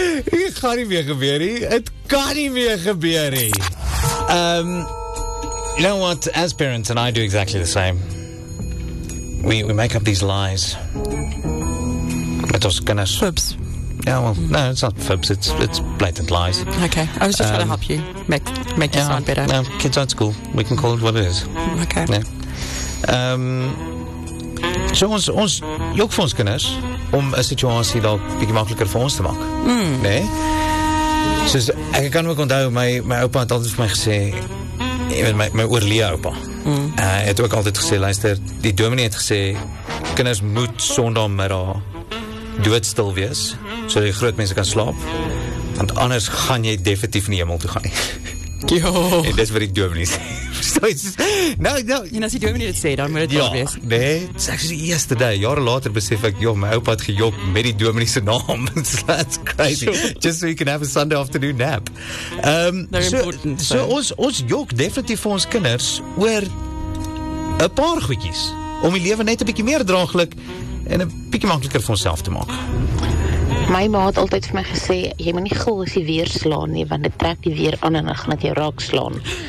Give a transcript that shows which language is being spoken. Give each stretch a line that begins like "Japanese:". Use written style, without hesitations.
Afrikaans: Dit gaan nie meer gebeur nie, het kan nie meer gebeur nie.
English: You know what, as parents, and I do exactly the same, we make up these lies,
Afrikaans: met ons kinders.
English: Oops. Yeah, well, no, it's not fibs, it's blatant lies. Okay, I was just going to help you make your sound better. No, kids are at school, we can call it what it is. Okay. Yeah.
Afrikaans: So ons jok vir ons kinders om 'n situasie dalk bietjie makliker vir ons te maak. Mm. Nee? Soos, ek kan ook onthou, my opa het altijd vir my gesê, my oorlee opa, het ook altijd gesê, luister, die dominee het gesê, kinders moet sondagmiddag doodstil wees, so die groot mense kan slaap, want anders gaan jy definitief nie hemel toe gaan. Jo. En dis wat die dominee sê. En as die dominee dit sê, dan moet dit waar wees. Ja, nee, dit is actually die eerste dag. Jare later besef ek, joh, my oupa had gejok met die dominee se naam.
English: That's crazy. Just so you can have a Sunday afternoon nap.
Afrikaans: Ons jok definitief vir ons kinders oor 'n paar goedjies om die lewe net 'n bietjie meer draaglik en 'n bietjie makliker vir onsself te maak. My ma het altyd vir my gesê, jy moet nie gil as jy weer slaan nie, want dit trek die weer aan en dan gaan dit jou raak slaan.